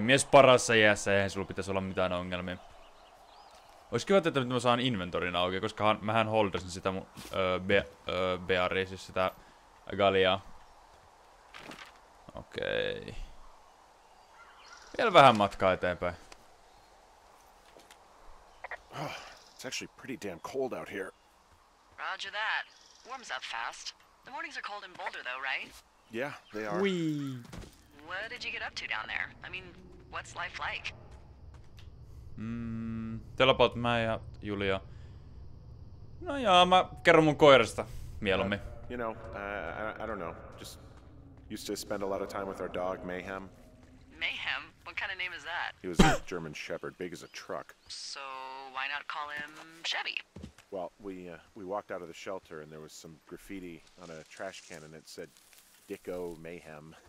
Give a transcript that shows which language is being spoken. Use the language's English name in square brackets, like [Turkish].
[Finnish] Mies parassa iässä, eihän sulla pitäisi olla mitään ongelmia. Olis kiva, että mä saan inventorin auki, koska mähän holdasin sitä mun... Beari, siis sitä... Galiaa. Okei. Vielä vähän matkaa eteenpäin. [English] It's actually pretty damn cold out here. Roger that. Warms up fast. The mornings are cold in Boulder, though, right? Yeah, they are. Whee! What did you get up to down there? I mean, what's life like? Tell about [Finnish] mä ja [English] Julia. [Finnish] No joo, mä kerron mun koirasta mieluummin. [English] You know, I don't know. Just used to spend a lot of time with our dog, Mayhem. Mayhem? What kind of name is that? He was a German Shepherd, big as a truck. So why not call him Chevy? Well, we walked out of the shelter and there was some graffiti on a trash can and it said Dicko Mayhem.